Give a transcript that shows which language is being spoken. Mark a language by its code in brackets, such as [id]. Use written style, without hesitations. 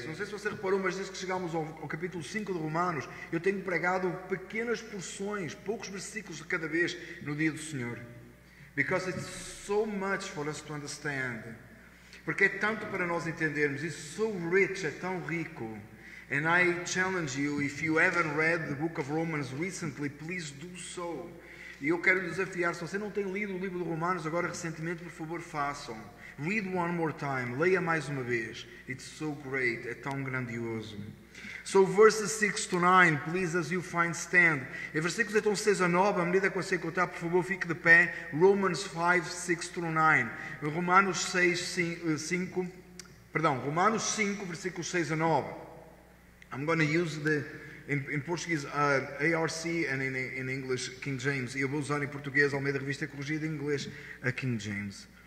[pt] Não sei se você reparou, mas desde que chegamos ao capítulo 5 de Romanos, eu tenho pregado pequenas porções, poucos versículos de cada vez no dia do Senhor. [en] Because it's so much for us to understand. [pt] Porque é tanto para nós entendermos. [en] It's so rich, [pt] é tão rico. [en] And I challenge you, if you haven't read the book of Romans recently, please do so. [pt] E eu quero desafiar, se você não tem lido o livro de Romanos agora recentemente, por favor, façam. [en] Read one more time, [pt] leia mais uma vez. [en] It's so great, [pt] é tão grandioso. [en] So verses 6 to 9, please, as you find, stand. [pt] E versículos então 6 a 9, à medida que você contar, por favor, fique de pé. [en] Romans 5, 6 to 9. [pt] Romanos 5, versículos 6 a 9. [en] I'm going to use the, in Portuguese, ARC, and in English, King James. [pt] E eu vou usar em português, Almeida Revista e Corrigida, em inglês, a King James.